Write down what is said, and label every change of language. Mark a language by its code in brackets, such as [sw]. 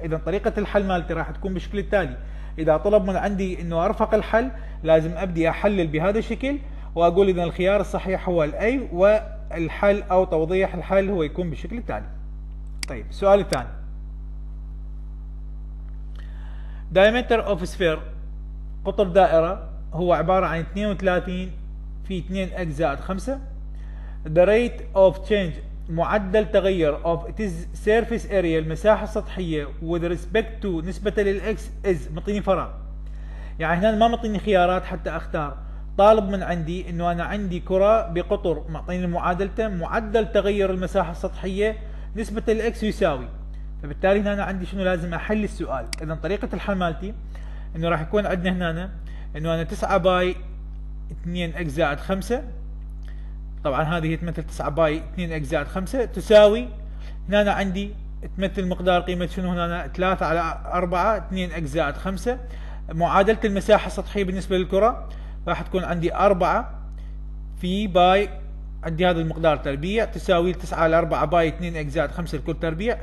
[ar] اذا طريقه الحل مالتي راح تكون بالشكل التالي: اذا طلب من عندي انه ارفق الحل، لازم ابدي احلل بهذا الشكل واقول اذا الخيار الصحيح هو الاي، والحل او توضيح الحل هو يكون بالشكل التالي. طيب السؤال الثاني: [en] Diameter of sphere، [ar] قطر دائرة هو عبارة عن 32 في 2 x زائد 5. [en] The rate of change، [ar] معدل تغير [en] of its surface area، [ar] المساحة السطحية، [en] with respect to، [ar] نسبة للx [en] is، [ar] مطيني فراغ. يعني هنا ما مطيني خيارات حتى اختار، طالب من عندي انه انا عندي كرة بقطر، مطيني معادلته، معدل تغير المساحة السطحية، نسبة للx يساوي. فبالتالي هنا انا عندي شنو؟ لازم احل السؤال. اذا طريقه الحل مالتي انه راح يكون عندنا هنا انه انا 9 باي 2 اكس زائد 5، طبعا هذه هي تمثل 9 باي 2 اكس زائد 5 تساوي، هنا انا عندي تمثل مقدار قيمه شنو هنا؟ 3 على 4 2 اكس زائد 5، معادله المساحه السطحيه بالنسبه للكره راح تكون عندي 4 في باي، عندي هذا المقدار تربيع تساوي 9 على 4 باي 2 اكس زائد 5 الكل تربيع.